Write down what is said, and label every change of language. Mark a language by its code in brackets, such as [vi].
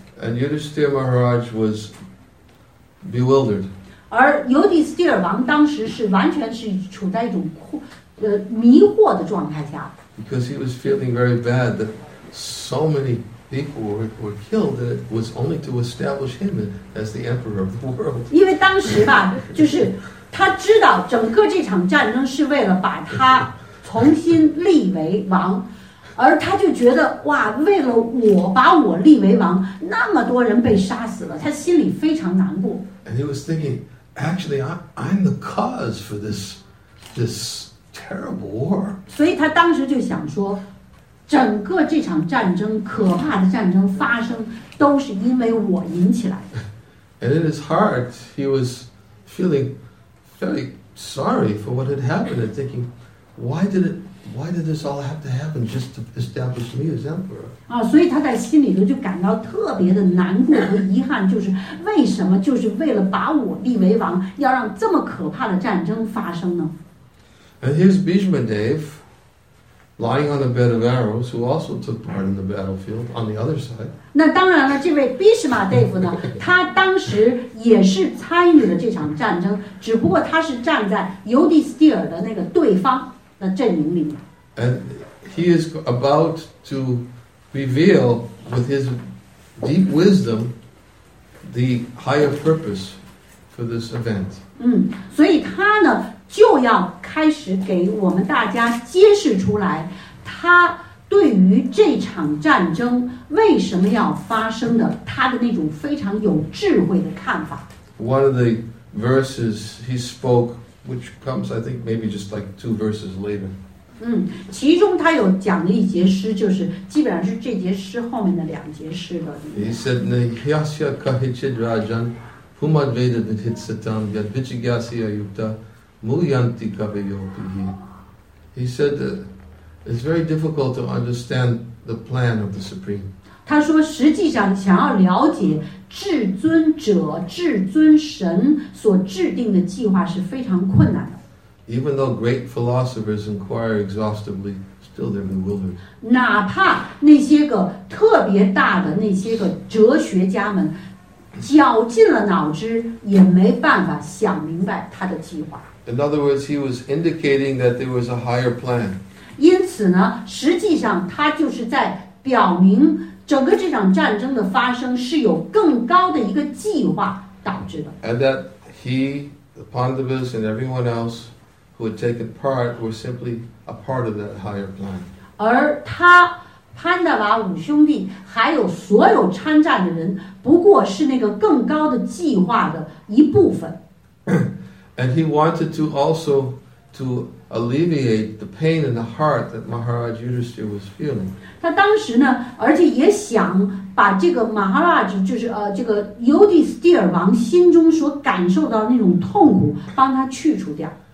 [en] And Yudhisthira Maharaj was bewildered. [zh] 而尤迪斯蒂尔王当时是完全是处在一种迷惑的状态下。 [en] Because he was feeling very bad that so many. People were killed. And it was only to establish him as the emperor of the world. [zh] 因为当时吧，就是他知道整个这场战争是为了把他重新立为王，而他就觉得哇，为了我把我立为王，那么多人被杀死了，他心里非常难过。 [en] And he was thinking, actually, I'm the cause for this terrible war. [zh] 所以他当时就想说。整个这场战争，可怕的战争发生，都是因为我引起来的。 [en] And in his heart, he was feeling very sorry for what had happened, and thinking, why did this all have to happen just to establish me as emperor? [zh] 所以他在心里头就感到特别的难过和遗憾，就是为什么就是为了把我立为王，要让这么可怕的战争发生呢？ [en] And here's Bhishma Dev. Lying on a bed of arrows, who also took part in the battlefield on the other side. [zh] 那当然了，这位毗湿玛大夫呢，他当时也是参与了这场战争，只不过他是站在尤迪斯蒂尔的那个对方的阵营里面。 [en] And he is about to reveal with his deep wisdom the higher purpose for this event. [zh] 所以他呢。就要开始给我们大家揭示出来，他对于这场战争为什么要发生的，他的那种非常有智慧的看法。 [en] One of the verses he spoke, which comes, I think, maybe just like 2 verses later. [zh] 其中他有讲了一节诗，就是基本上是这节诗后面的2节诗的。 [en] He said, [sa] "Nihyasya kahichid rajan humadveda nidhitsatam yad vichigyasya yukta mulyanti kaveyopihi. [en] He said that it's very difficult to understand the plan of the Supreme. [zh] 他说实际上想要了解至尊者至尊神所制定的计划是非常困难的。 [en] Even though great philosophers inquire exhaustively, still they're bewildered. [zh] 哪怕那些个特别大的那些个哲学家们绞尽了脑汁也没办法想明白他的计划。 [en] In other words, he was indicating that there was a higher plan. [zh] 因此呢，实际上他就是在表明整个这场战争的发生是有更高的一个计划导致的。 [en] And that he, the Pandavas, and everyone else who had taken part were simply a part of that higher plan. [zh] 而他潘达瓦五兄弟还有所有参战的人，不过是那个更高的计划的一部分。 [en] And he wanted to also to alleviate the pain in the heart that Maharaj Yudhisthira was feeling. [zh] 他当时呢，而且也想把这个 Maharaj 就是这个 Yudhisthira 王心中所感受到那种痛苦，帮他去除掉。